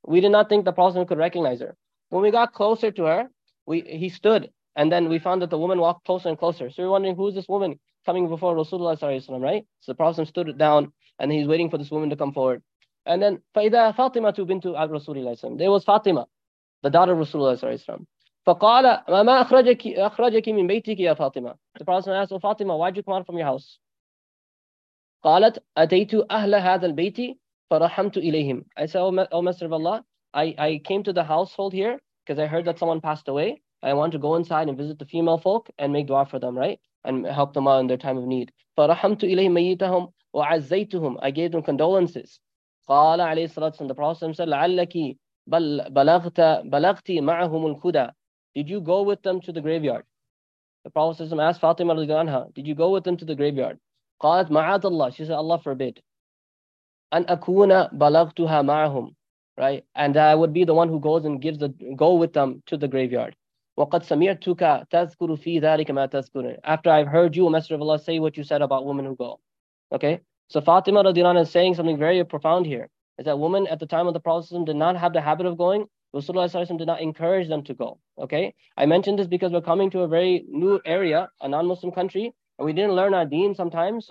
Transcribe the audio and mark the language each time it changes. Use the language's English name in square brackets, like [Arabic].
[English] We did not think the Prophet could recognize her. When we got closer to her, he stood, and then we found that the woman walked closer and closer. So we're wondering, who is this woman coming before Rasulullah, right? So the Prophet stood down, and he's waiting for this woman to come forward. And then, [Arabic] فَإِذَا فَاطِمَةُ بِنْتُ عَلْ رَسُولِ اللَّهِ [English] There was Fatima, the daughter of Rasulullah. [Arabic] فقال ما أخرجك أخرجك من بيتك يا فاطمة. [English] The Prophet asked, oh, Fatima, why did you come out from your house? [Arabic] قالت أتيت أهل هذا البيت فرحمت إليهم. [English] I said, oh Master of Allah, I came to the household here because I heard that someone passed away. I want to go inside and visit the female folk and make dua for them, right? And help them out in their time of need. [Arabic] فرحمت إليهم ميتهم وعزيتهم. [English] I gave them condolences. [Arabic] قال عليه الصلاة والسلام, [English] the Prophet said, [Arabic] لعلك بلغت معهم الكدى. [English] Did you go with them to the graveyard? The Prophet asked Fatima radhiyallahu anha, did you go with them to the graveyard? [Arabic] قالت معاد الله. [English] She said, Allah forbid. [Arabic] أن أكون بلغتها معهم. Right? [English] And I would be the one who goes and gives the go with them to the graveyard. [Arabic] وقد سمعتك تذكر في ذلك ما تذكر. [English] After I've heard you, Messenger of Allah, say what you said about women who go. Okay? So Fatima radhiyallahu anha is saying something very profound here. Is that women at the time of the Prophet did not have the habit of going. Rasulullah did not encourage them to go. Okay. I mentioned this because we're coming to a very new area, a non-Muslim country, and we didn't learn our deen sometimes.